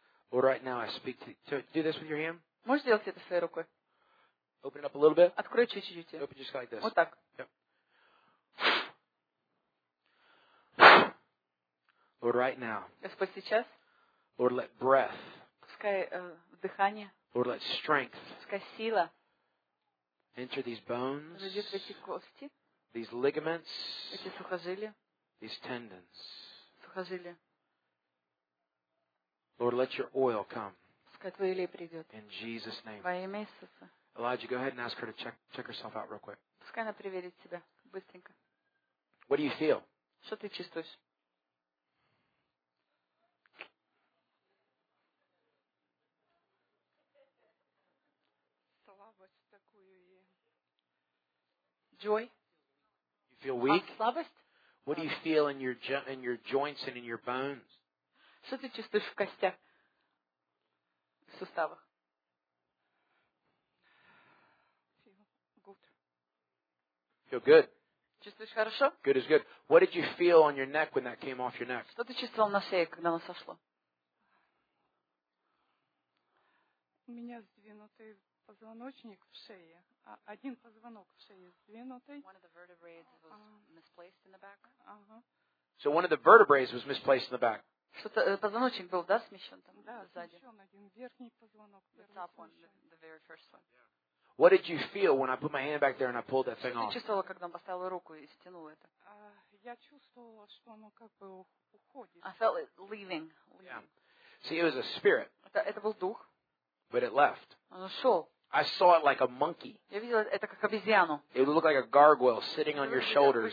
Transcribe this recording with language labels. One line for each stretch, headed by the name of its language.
English: Lord, right now, I speak to do this with your hand.
Russian: Можешь сделать это своей рукой?
English: Open it up a little bit.
Russian: Открой чуть-чуть.
English: Open just like this.
Russian: Вот так.
English: Yep. Lord, right now.
Russian: Господь, сейчас.
English: Lord, let breath.
Russian: Пускай дыхание.
English: Lord, let strength.
Russian: Пускай сила.
English: Enter these bones.
Russian: Зайдет в эти кости.
English: These ligaments.
Russian: Эти сухожилия.
English: These tendons.
Russian: Сухожилия.
English: Lord, let your oil come.
Russian: Пускай твой олей придет.
English: In Jesus' name.
Russian: Во имя Иисуса.
English: Elijah, go ahead and ask her to check herself out real quick.
Russian: Пускай она проверит себя быстренько.
English: What do you feel?
Russian: Что ты чувствуешь? Слабость такую ей.
English: Joy? You feel weak?
Russian: Слабость?
English: What do you feel in your joints and in your bones?
Russian: Что ты чувствуешь в костях, в суставах?
English: Feel good.
Russian: Чувствуешь хорошо?
English: Good is good. What did you feel on your neck when that came off your neck?
Russian: Что ты чувствовал на шее, когда оно сошло? У меня сдвинутый позвоночник в шее. Один позвонок в шее сдвинутый.
English: One of the vertebrae was misplaced in the back. So one of the vertebrae was misplaced in the back.
Russian: Что-то позвоночник был, да, смещен там, да, сзади? Да, смещен один верхний позвонок.
English: The top one, the very first one. Yeah. What did you feel when I put my hand back there and I pulled that thing off?
Russian: Я чувствовала, когда поставила руку и стянула это. Я чувствовала, что оно как бы уходит.
English: I felt it leaving. Yeah. See, it was a spirit.
Russian: Это был дух.
English: But it left.
Russian: Оно ушел.
English: I saw it like a monkey.
Russian: Я видела это как обезьяну.
English: It looked like a gargoyle sitting on your shoulders.